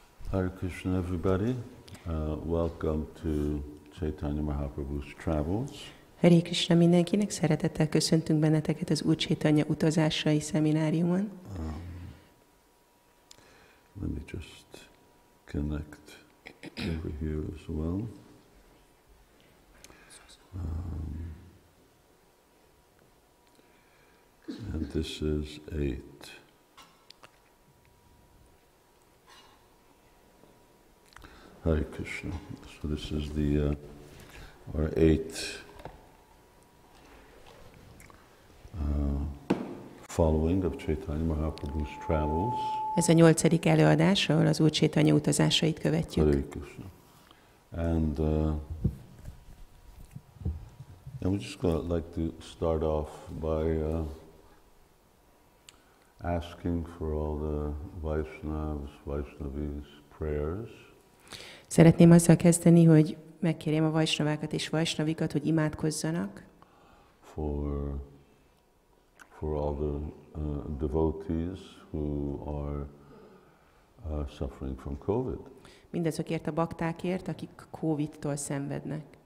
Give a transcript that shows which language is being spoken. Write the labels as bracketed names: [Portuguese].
[English] Hare Krishna, everybody. Welcome to Chaitanya Mahaprabhu's Travels. [Hungarian] Hare Krishna, mindenkinek szeretettel köszöntünk benneteket az Úr Chaitanya utazásai szemináriumon. [English] Let me just connect over here as well. And this is 8. Hare Krishna. So this is the our 8th following of Chaitanya Mahaprabhu's travels. [Hungarian] Ez a 8. előadás, ahol az Úr Chaitanya utazásait követjük. [English] Hare Krishna. And we just got like to start off by asking for all the Vaishnavas, Vaishnavis prayers. [Hungarian] Szeretném azzal kezdeni, hogy megkérjem a Vaishnavákat és Vaishnavikat, hogy imádkozzanak. [English] For all the devotees who are suffering from COVID. [Hungarian] Mindazokért a baktákért, akik COVID-tól szenvednek.